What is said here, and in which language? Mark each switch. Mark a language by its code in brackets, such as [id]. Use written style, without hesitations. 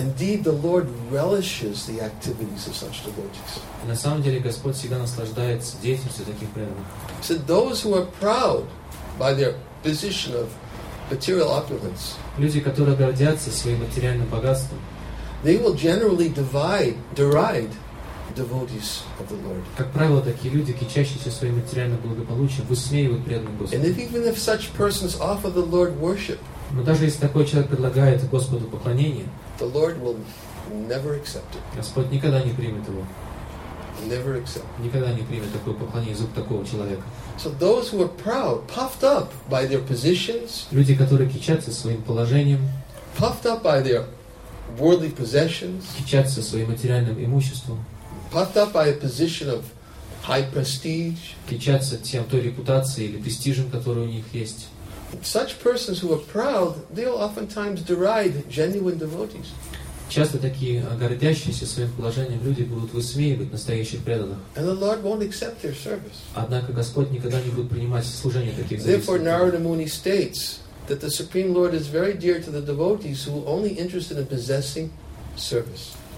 [en] Indeed, the Lord relishes the activities of such devotees. [ru] И на самом деле Господь всегда наслаждается деятельностью таких преданных. [en] So those who are proud by their position of material opulence. [ru] Люди, которые гордятся своим материальным богатством. [en] They will generally deride devotees of the Lord. [ru] Как правило, такие люди, кичащиеся своим материальным благополучием, высмеивают преданных Господа. [en] And even if such persons offer the Lord worship, [ru] но даже если такой человек предлагает Господу поклонение, [en] the Lord will never accept it. [ru] Господь никогда не примет его. [en] Never accept. [ru] Никогда не примет такое поклонение из рук такого человека. [en] So those who are proud, puffed up by their positions, [ru] люди, которые кичатся своим положением, [en] puffed up by their worldly possessions, [ru] кичатся своим материальным имуществом, [en] puffed up by a position of high prestige, [ru] кичатся тем той репутацией или престижем, который у них есть. [en] Such persons who are proud, they'll oftentimes deride genuine devotees. [ru] Часто такие гордящиеся своим положением люди будут высмеивать настоящих преданных. [en] And the Lord won't accept their service. [ru] Однако Господь никогда не будет принимать служение таких. [en] Therefore, Narada Muni states that the Supreme Lord is very dear to the devotees who are only interested in possessing service.